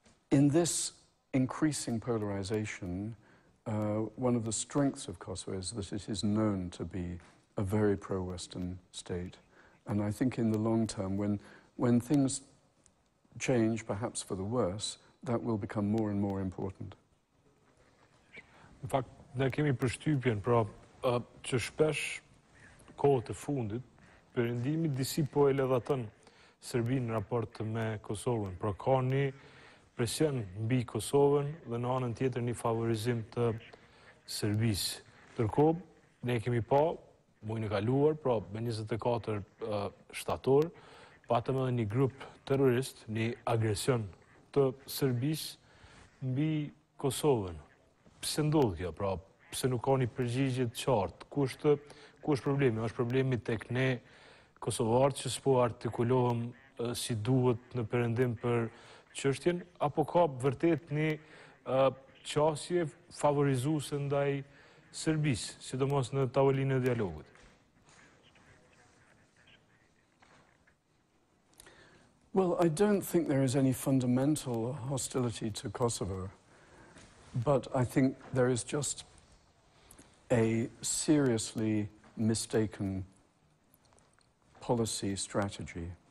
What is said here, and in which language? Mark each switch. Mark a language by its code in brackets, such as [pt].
[en] In this increasing polarization, one of the strengths of Kosovo is that it is known to be a very pro-Western state. And I think in the long term, when things change, perhaps for the worse, that will become more and more important. [sq] Në fakt, ne kemi përshtypjen, pra, që shpesh kohët e fundit, perëndimi disi po e levaton Serbinë në raport me Kosovën, pra ka një presion mbi Kosovën dhe në anën tjetër një favorizim të Serbisë. Ndërkohë, ne kemi pa, muajin e kaluar, pra me 24 shtator, patëm edhe një grup terrorist, një agresion të Serbisë mbi Kosovën. Pse ndodhi kjo, pra pse nuk ka një përgjigje të qartë? Ku është problemi? Është problemi tek ne kosovarët që s'po artikulohem si duhet në perëndim për çështjen, apo ka vërtet një qasje favorizuese ndaj Serbisë, sidomos në tavolinë e dialogut? [en] Well, I don't think there is any fundamental hostility to Kosovo, but I think there is just a seriously mistaken policy strategy.